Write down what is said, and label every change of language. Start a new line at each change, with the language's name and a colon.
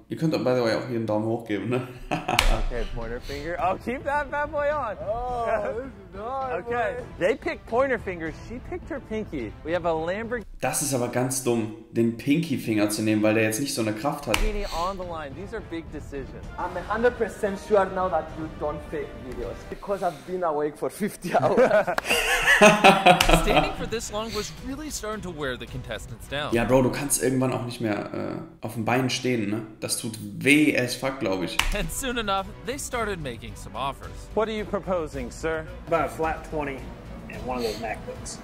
German: Ihr könnt auch,
English: by the way,
German: auch hier einen Daumen hoch geben, ne?
English: Okay, pointer finger. Oh, keep that bad boy on. Oh, this is not okay. Boy. They picked pointer fingers. She picked her pinky. We have a Lamborghini.
German: Das ist aber ganz dumm, den pinky finger zu nehmen, weil der jetzt nicht so eine Kraft hat.
English: Lamborghini on the line. These are big decisions. I'm 100% sure now that you don't fake videos because I've been awake for 50 hours. Standing for this long was really starting to wear the contestants down.
German: Ja, Bro, du kannst irgendwann auch nicht mehr auf den Beinen stehen, ne? Das tut weh
English: as fuck,
German: glaube ich.
English: And soon enough, they started making some offers. What are you proposing, sir? About a flat 20 and one of those MacBooks.